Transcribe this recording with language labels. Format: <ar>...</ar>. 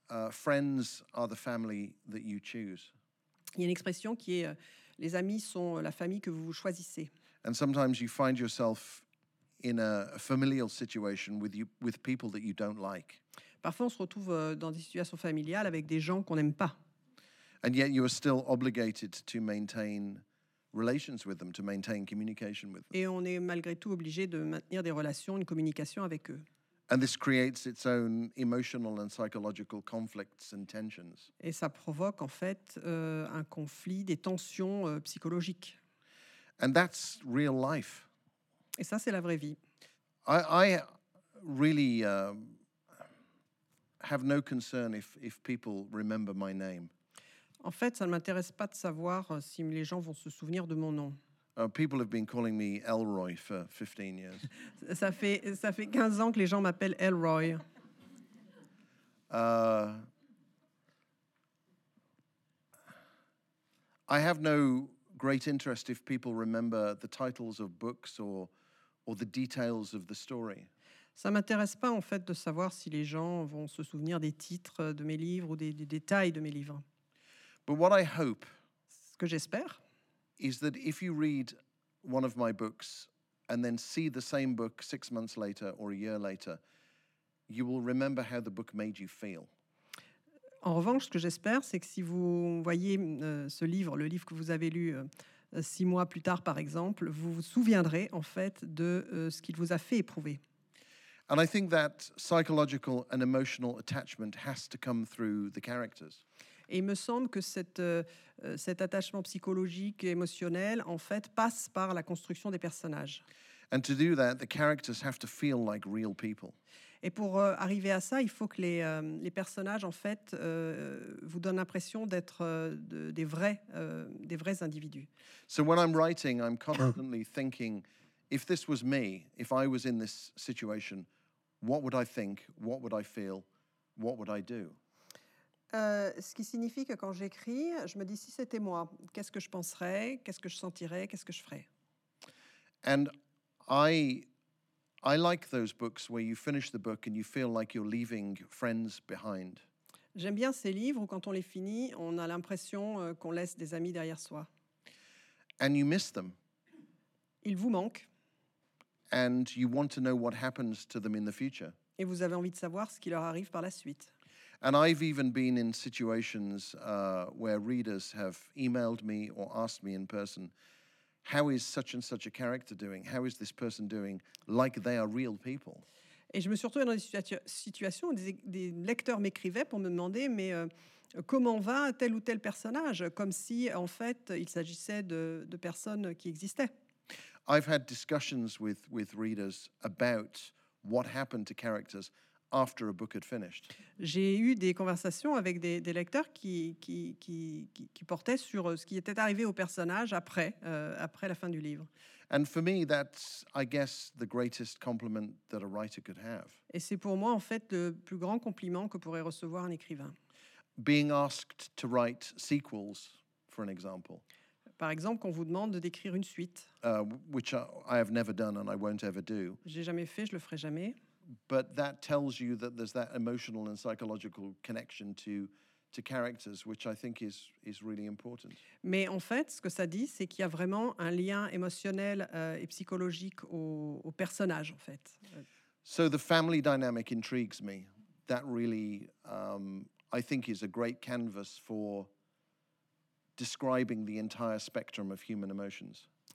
<en>Friends are the family that you choose.</en> <fr>Il y a une expression qui est les amis sont la famille que vous choisissez.</fr> <en>And sometimes you find yourself in a familial situation with people that you don't like.</en> <fr>Parfois on se retrouve dans des situations familiales avec des gens qu'on n'aime pas.</fr> <en>And yet you are still obligated to maintain relations with them, to maintain communication with them.</en> <fr>Et on est malgré tout obligé de maintenir des relations, une communication avec eux.</fr> <en>And this creates its own emotional and psychological conflicts and tensions.</en> <fr>Et ça provoque en fait un conflit, des tensions psychologiques.</fr> <en>And that's real life.</en> <fr>Et ça, c'est la vraie vie.</fr> <en>I really have no concern if people remember my name.</en> <fr>En fait, ça ne m'intéresse pas de savoir si les gens vont se souvenir de mon nom.</fr> <en>People have been calling me Elroy for 15 years.</en> <fr>Ça fait 15 ans que les gens m'appellent Elroy.</fr> <en>I have no great interest if people remember the titles of books or the details of the story.</en> <fr>Ça m'intéresse pas en fait de savoir si les gens vont se souvenir des titres de mes livres ou des détails de mes livres.</fr> <en>But what I hope.</en> <fr>Ce que j'espère.</fr> <en>Is that if you read one of my books and then see the same book 6 months later or a year later, you will remember how the book made you feel.</en> <fr>En revanche, ce que j'espère, c'est que si vous voyez ce livre, le livre que vous avez lu 6 mois plus tard, par exemple, vous vous souviendrez en fait de ce qu'il vous a fait éprouver.</fr> <en>And I think that psychological and emotional attachment has to come through the characters.</en> <fr>Et il me semble que cet attachement psychologique et émotionnel, en fait, passe par la construction des personnages.</fr> <en>And to do that, the characters have to feel like real people.</en> <fr>Et pour arriver à ça, il faut que les personnages, en fait, vous donnent l'impression d'être des vrais individus.</fr> <en>So when I'm writing, I'm constantly thinking, if this was me, if I was in this situation, what would I think, what would I feel, what would I do?</en> <fr>Ce qui signifie que quand j'écris, je me dis si c'était moi, qu'est-ce que je penserais, qu'est-ce que je sentirais, qu'est-ce que je ferais.</fr> <en>And I like those books where you finish the book and you feel like you're leaving friends behind.</en> <fr>J'aime bien ces livres où quand on les finit, on a l'impression qu'on laisse des amis derrière soi.</fr> <en>And you miss them.</en> <fr>Ils vous manquent.</fr> <en>And you want to know what happens to them in the future.</en> <fr>Et vous avez envie de savoir ce qui leur arrive par la suite.</fr> <en>And I've even been in situations where readers have emailed me or asked me in person, how is such and such a character doing? How is this person doing? Like they are real people.</en> <fr>Et je me suis retrouvée dans des situations où des lecteurs m'écrivaient pour me demander, mais comment va tel ou tel personnage? Comme si, en fait, il s'agissait de personnes qui existaient.</fr> <en>I've had discussions with readers about what happened to characters after a book had finished.</en> <fr>J'ai eu des conversations avec des lecteurs qui portaient sur ce qui était arrivé au personnage après après la fin du livre.</fr> <en>And for me, that's, I guess, the greatest compliment that a writer could have.</en> <fr>Et c'est pour moi en fait le plus grand compliment que pourrait recevoir un écrivain.</fr> <en>Being asked to write sequels, for an example.</en> <fr>Par exemple, qu'on vous demande d'écrire une suite.</fr> <en>Which I have never done and I won't ever do.</en> <fr>J'ai jamais fait, je le ferai jamais.</fr> <en>But that tells you that there's that emotional and psychological connection to characters, which I think is really important.</en> <fr>Mais en fait, ce que ça dit, c'est qu'il y a vraiment un lien émotionnel et psychologique au personnage, en fait.</fr> <en>So the family dynamic intrigues me. That really, I think, is a great canvas for describing the entire spectrum of human emotions.</en>